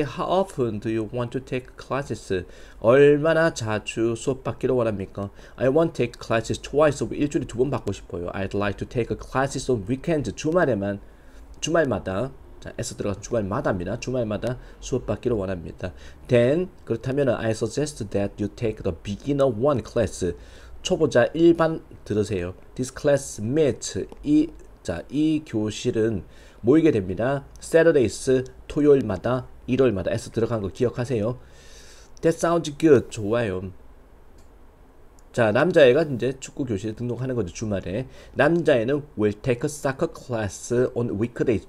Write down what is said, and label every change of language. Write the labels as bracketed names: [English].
[English] How often do you want to take classes? [Korean] 얼마나 자주 수업 받기로 원합니까? [English] I want to take classes twice. [Korean] 일주일에 두번 받고 싶어요. [English] I'd like to take classes on weekends. [Korean] 주말에만. 주말마다. 자, S 들어가서 주말마다입니다. 주말마다 수업 받기로 원합니다. [English] Then, 그렇다면, I suggest that you take the beginner one class. [Korean] 초보자 1반 들으세요. [English] This class meets. [Korean] 이 교실은 모이게 됩니다. Saturdays, 토요일마다, 일요일마다 S 들어간 거 기억하세요. [English] That sounds good. [Korean] 좋아요. 자, 남자애가 이제 축구 교실에 등록하는 거죠. [English] 주말에. 남자애는 will take a soccer class on weekdays.